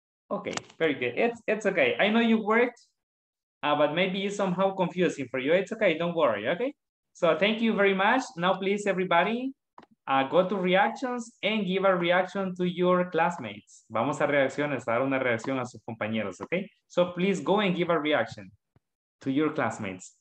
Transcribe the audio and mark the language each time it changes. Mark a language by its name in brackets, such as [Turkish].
[English] Okay, very good. It's okay. I know you worked, but maybe it's somehow confusing for you. It's okay, don't worry, okay? So thank you very much. Now please, everybody, go to reactions and give a reaction to your classmates. [Spanish] Vamos a reacciones, a dar una reacción a sus compañeros, okay? [English] So please go and give a reaction to your classmates.